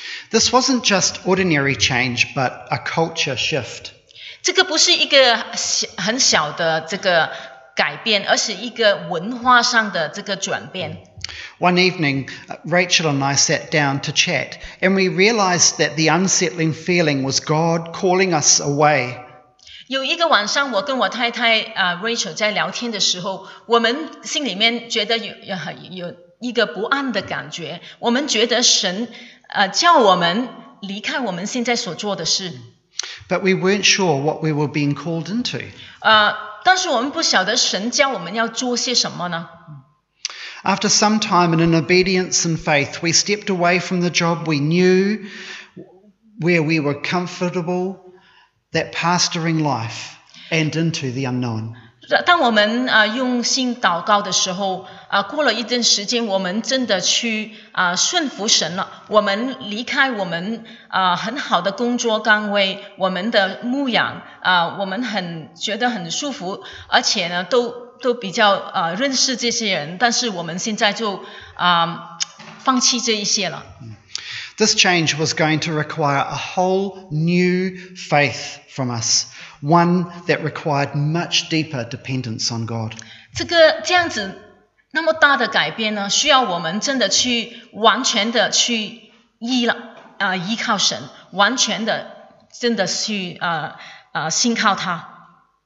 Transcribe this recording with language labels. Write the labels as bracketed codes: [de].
[en] This wasn't just ordinary change, but a culture shift. [zh] 这个不是一个很小的这个改变，而是一个文化上的这个转变。 [en] One evening, Rachel and I sat down to chat, and we realized that the unsettling feeling was God calling us away. [zh] 有一个晚上，我跟我太太Rachel 在聊天的时候，我们心里面觉得有一个不安的感觉。我们觉得神叫我们离开我们现在所做的事。 [en] But we weren't sure what we were being called into. [zh] 但是我们不晓得神叫我们要做些什么呢？ [en] After some time and in obedience and faith, we stepped away from the job we knew, where we were comfortable, that pastoring life, and into the unknown. [zh] 当我们用心祷告的时候，过了一段时间，我们真的去顺服神了。我们离开我们很好的工作岗位，我们的牧养我们很觉得很舒服，而且呢都比较认识这些人，但是我们现在就放弃这一些了。 [en] This change was going to require a whole new faith from us, one that required much deeper dependence on God. [zh] 这样子那么大的改变呢，需要我们真的去完全的去依靠神，完全的真的去信靠他。